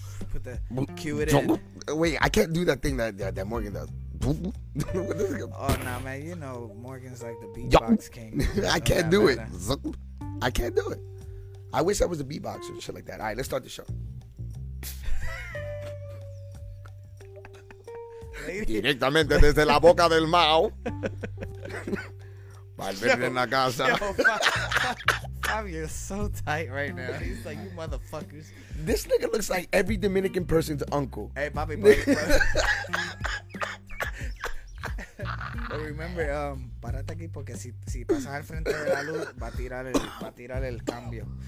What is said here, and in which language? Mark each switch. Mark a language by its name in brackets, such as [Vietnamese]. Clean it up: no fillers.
[English] Put the cue it in. Wait, I can't do that thing that Morgan does. Oh, nah, man. You know, Morgan's like the beatbox king. I can't do it. I can't do it. I wish I was a beatboxer and shit like that. All right, let's start the show. [Spanish] Directamente desde la boca del Mao. Valverde en la casa. [English] Fabio is so tight right now. He's like, you motherfuckers. This nigga looks like every Dominican person's uncle. Hey, Bobby, bro. But remember, [Spanish] parate aquí porque si pasas al frente de la luz, va a tirar el cambio.